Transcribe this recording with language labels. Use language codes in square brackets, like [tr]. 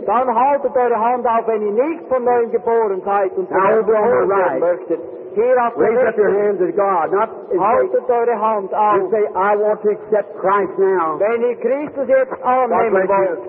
[de] Dann haltet eure Hand auf, wenn ihr nicht von neuem geboren seid und von neuem geboren werden möchtet. [en] Raise up your hands to God. Not [de] halt eure Hand auf. [en] And say, I want to accept Christ now. [de] Wenn ihr Christus jetzt annehmen wollt.